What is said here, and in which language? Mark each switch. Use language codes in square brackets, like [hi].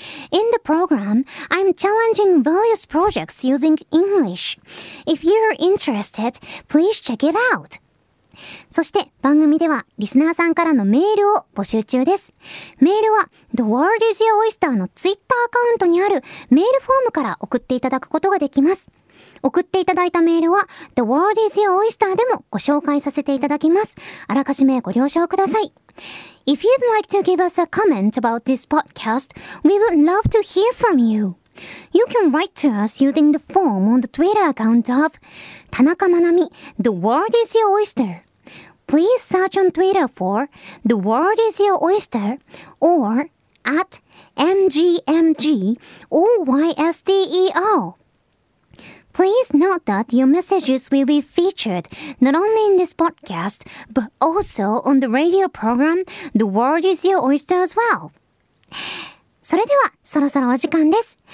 [en] In the program, I'm challenging various projects using English. If you're interested, please check it out. [ja] そして番組ではリスナーさんからのメールを募集中です。メールは The World is Your Oyster の Twitter アカウントにあるメールフォームから送っていただくことができます。送っていただいたメールは The World is Your Oyster でもご紹介させていただきます。あらかじめご了承ください。 [en] If you'd like to give us a comment about this podcast, we would love to hear from you. You can write to us using the form on the Twitter account of 田中まなみ The World is Your Oyster. Please search on Twitter for The World is Your Oyster or at MGMGOYSTERPlease note that your messages will be featured not only in this podcast, but also on the radio program The World is Your Oyster as well. [ja] それではそろそろお時間です。